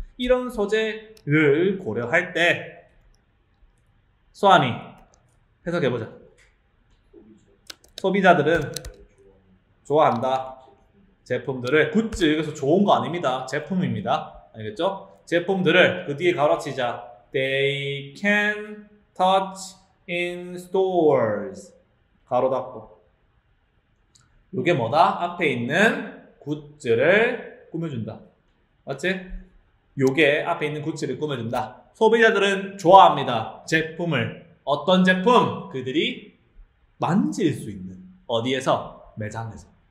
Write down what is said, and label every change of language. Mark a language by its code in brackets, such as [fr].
[ko] 이런 소재를 고려할 때 소아미 해석해보자. 소비자들은 좋아한다. 제품들을 굿즈 여기서 좋은 거 아닙니다. 제품입니다. 알겠죠? 제품들을 그 뒤에 가로치자. [en] They can touch in stores. [ko] 가로 닫고. 이게 뭐다? 앞에 있는 굿즈를 꾸며준다. 맞지? 이게 앞에 있는 굿즈를 꾸며준다. 소비자들은 좋아합니다. 제품을. 어떤 제품? 그들이 만질 수 있는. 어디에서? 매장에서.